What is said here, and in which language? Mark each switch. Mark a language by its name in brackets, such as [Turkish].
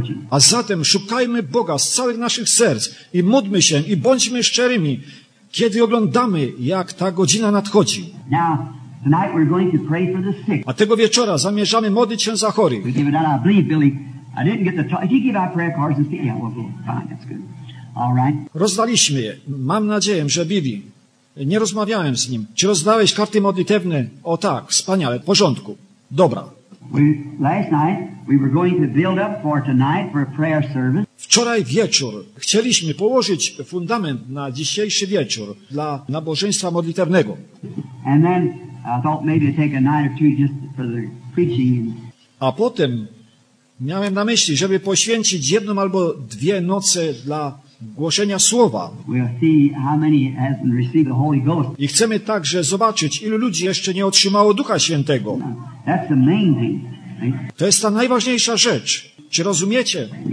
[Polish] A zatem szukajmy Boga z całych naszych serc i módlmy się i bądźmy szczerymi, kiedy oglądamy, jak ta godzina nadchodzi. [English] Now, tonight we're going to pray for the sick. [Polish] A tego wieczora zamierzamy modlić się za chorych. [English] We give it out, I believe, Billy. I didn't get the talk. If you give out prayer cards and speak, yeah, we'll fine, that's good. All right. [Polish] Rozdaliśmy je. Mam nadzieję, że Billy, nie rozmawiałem z nim. Czy rozdałeś karty modlitewne? O tak, wspaniale, w porządku. Dobra. [English] Last night we were going to build up for tonight for a prayer service. [Polish] Wczoraj wieczór chcieliśmy położyć fundament na dzisiejszy wieczór dla nabożeństwa modlitewnego. [English] And then I thought maybe take a night or two just for the preaching. [Polish] A potem miałem na myśli, żeby poświęcić jedną albo dwie noce dla głoszenia słowa. [English] We'll see how many hasn't received the Holy Ghost. [Polish] I chcemy także zobaczyć, ilu ludzi jeszcze nie otrzymało Ducha Świętego. [English] That's the main thing. [Polish] To jest ta najważniejsza rzecz. Czy rozumiecie?